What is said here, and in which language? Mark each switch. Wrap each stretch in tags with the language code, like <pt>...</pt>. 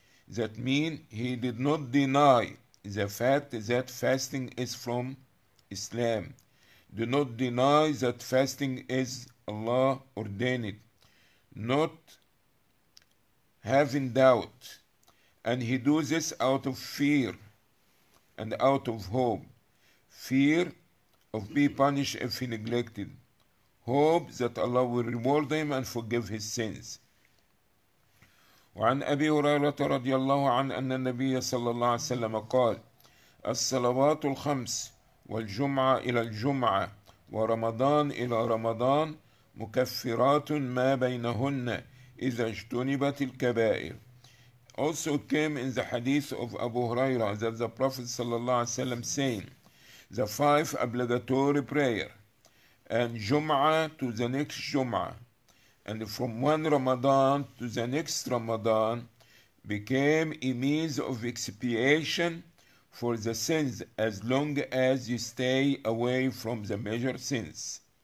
<en>That mean he did not deny the fact that fasting is from Islam, do not deny that fasting is Allah ordained, not having doubt, and he do this out of fear and out of hope, fear of be punished if he neglected, hope that Allah will reward him and forgive his sins.</en> <ar>وعن أبي هريرة رضي الله عن أن النبي صلى الله عليه وسلم قال الصلوات الخمس والجمعة إلى الجمعة ورمضان إلى رمضان مكفرات ما بينهن إذا اجتنبت الكبائر.</ar> <en>Also came in the hadith of Abu Huraira that the Prophet</en> <ar>صلى الله عليه وسلم</ar> <en>saying the five obligatory prayer and Jum'ah to the next Jum'ah and from one Ramadan to the next Ramadan became a means of expiation for the sins as long as you stay away from the major sins.</en>